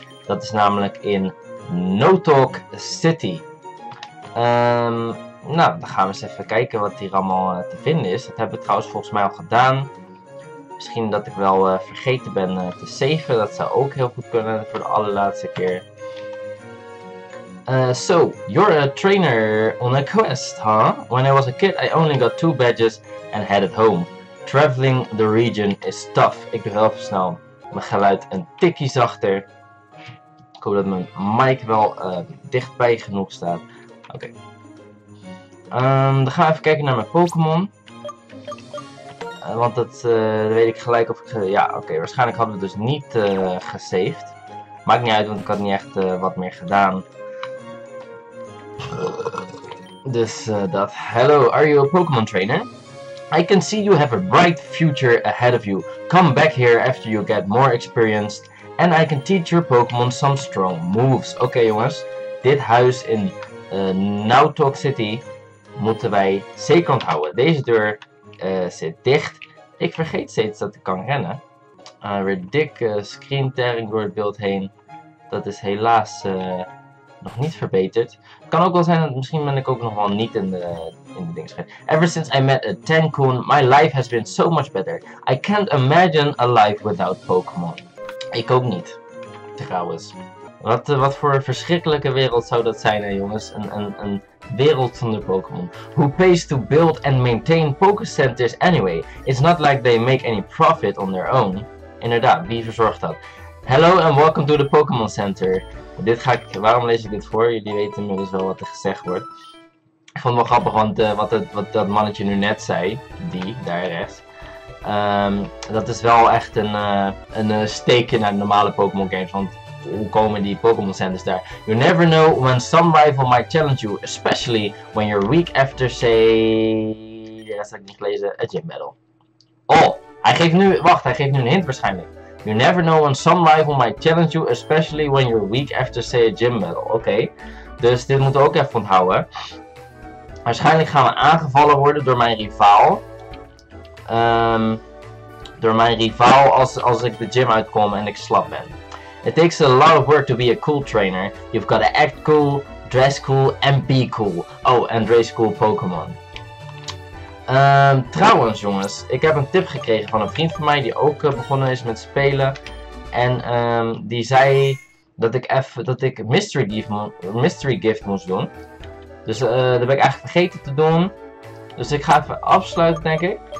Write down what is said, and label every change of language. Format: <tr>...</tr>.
<nl>Dat is namelijk in Notalk City. Dan gaan we eens even kijken wat hier allemaal te vinden is. Dat hebben we trouwens volgens mij al gedaan. Misschien dat ik wel vergeten ben te saven. Dat zou ook heel goed kunnen voor de allerlaatste keer.</nl> <en>So, you're a trainer on a quest, huh? When I was a kid, I only got 2 badges and headed home. Traveling the region is tough.</en> <nl>Ik doe heel snel mijn geluid een tikkie zachter. Ik hoop dat mijn mic wel dichtbij genoeg staat. Oké. Dan gaan we even kijken naar mijn Pokémon. Want dat weet ik gelijk of ik... waarschijnlijk hadden we dus niet gesaved. Maakt niet uit, want ik had niet echt wat meer gedaan. Dus dat.</nl> <en>Hello, are you a Pokémon trainer? I can see you have a bright future ahead of you. Come back here after you get more experienced. And I can teach your Pokémon some strong moves.</en> <nl>Oké, jongens. Dit huis in Notalk City moeten wij zeker onthouden. Deze deur zit dicht. Ik vergeet steeds dat ik kan rennen. Weer dikke screen tearing door het beeld heen. Dat is helaas... nog niet verbeterd. Kan ook wel zijn dat misschien ben ik ook nog wel niet in de ding schrijf.</nl> <en>Ever since I met a Tankoon, my life has been so much better. I can't imagine a life without Pokémon.</en> <nl>Ik ook niet. Trouwens. Wat voor een verschrikkelijke wereld zou dat zijn, hè, jongens? Een wereld zonder Pokémon.</nl> <en>Who pays to build and maintain Pokécenters anyway? It's not like they make any profit on their own.</en> <nl>Inderdaad, wie verzorgt dat?</nl> <en>Hello and welcome to the Pokémon Center.</en> <nl>Waarom lees ik dit voor? Jullie weten inmiddels wel wat er gezegd wordt. Ik vond het wel grappig, want wat dat mannetje nu net zei, die, daar rechts. Dat is wel echt een steekje naar de normale Pokémon games, want hoe komen die Pokémon centers daar?</nl> <en>You never know when some rival might challenge you, especially when you're weak after, say...</en> <nl>Ja, dat zal ik niet lezen.</nl> <en>A gym battle.</en> <nl>Oh, hij geeft nu een hint waarschijnlijk.</nl> <en>You never know when some rival might challenge you, especially when you're weak after, say, a gym battle.</en> <nl>Oké. Dus dit moeten we ook even onthouden. Waarschijnlijk gaan we aangevallen worden door mijn rivaal. Door mijn rivaal als ik de gym uitkom en ik slap ben.</nl> <en>It takes a lot of work to be a cool trainer. You've got to act cool, dress cool, and be cool. Oh, and race cool Pokémon.</en> <nl>Trouwens jongens, ik heb een tip gekregen van een vriend van mij die ook begonnen is met spelen. En die zei dat ik Mystery Gift moest doen. Dus dat ben ik eigenlijk vergeten te doen. Dus ik ga even afsluiten denk ik.</nl>